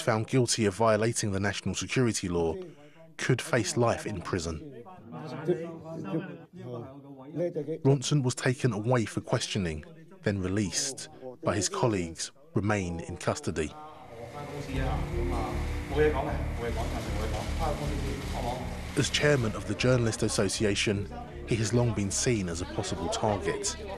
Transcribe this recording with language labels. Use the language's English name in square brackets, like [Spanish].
[English] found guilty of violating the national security law could face life in prison. Ronson was taken away for questioning, then released, but his colleagues remain in custody. [Chinese] 我沒說的,我沒說的,我沒說的。 [English] As chairman of the Journalist Association, he has long been seen as a possible target.